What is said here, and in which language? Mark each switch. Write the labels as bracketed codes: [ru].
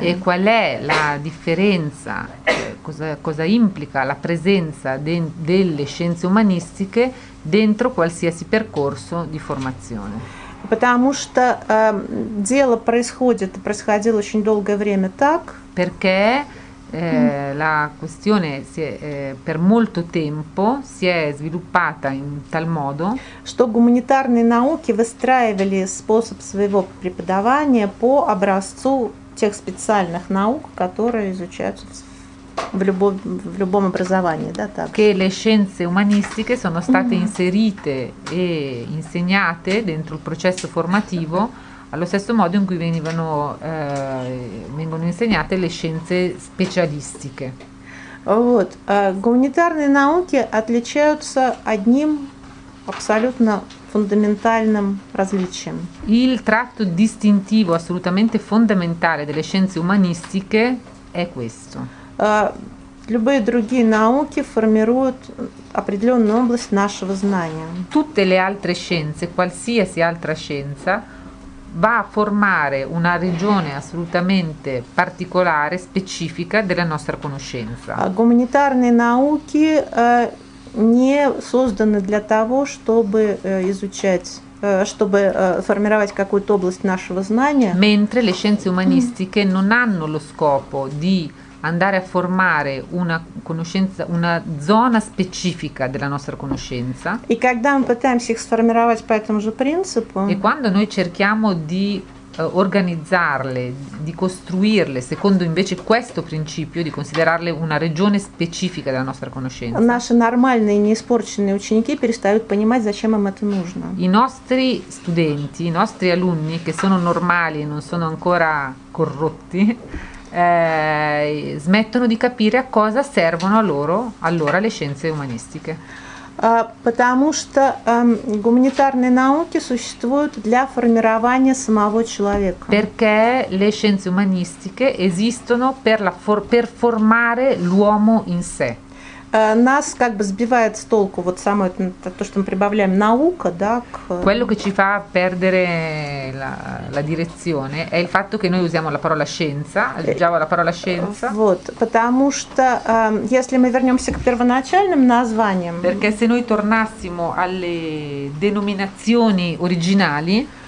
[it] E qual è la differenza, cosa, cosa implica la presenza de, delle scienze umanistiche dentro qualsiasi percorso di formazione? [ru] Потому что дело происходит, происходило очень долгое время так. [it] Perché la questione si è, per molto tempo si è sviluppata in tal modo [ru] что гуманитарные науки выстраивали способ своего преподавания по образцу тех специальных наук, которые изучаются в любом образовании, да, так. [it] Che le scienze umanistiche sono state inserite e insegnate dentro il processo formativo allo stesso modo in cui venivano vengono insegnate le scienze specialistiche. [ru] Вот, гуманитарные науки отличаются одним абсолютно фундаментальным различием. [it] Il tratto distintivo assolutamente fondamentale delle scienze umanistiche è questo. [ru] Любые другие науки формируют определенную область нашего знания. [it] Tutte le altre scienze, qualsiasi altra scienza va a formare una regione assolutamente particolare, specifica della nostra conoscenza. [ru] Гуманитарные науки не созданы для того, чтобы изучать, чтобы формировать какую-то область нашего знания. [it] Mentre le scienze umanistiche non hanno lo scopo di andare a formare una conoscenza, una zona specifica della nostra conoscenza. [ru] И когда мы пытаемся их сформировать по этому же принципу. [it] E quando noi cerchiamo di organizzarle, di costruirle secondo invece questo principio, di considerarle una regione specifica della nostra conoscenza. [ru] Наши нормальные, не испорченные ученики перестают понимать, зачем им это нужно. [it] I nostri studenti, i nostri alunni che sono normali e non sono ancora corrotti. smettono di capire a cosa servono a loro allora le scienze umanistiche. [ru] Потому что гуманитарные науки существуют для формирования самого человека. [it] Perché le scienze umanistiche esistono per formare l'uomo in sé. [ru] Нас как бы сбивает с толку вот самое то, что мы прибавляем наука, да, к... [it] Quello che ci fa perdere la direzione è il fatto che noi usiamo la parola scienza, aggiungiamo la parola scienza. [ru] Вот, потому что если мы вернемся к первоначальным названиям. [it] Perché se noi tornassimo alle denominazioni originali.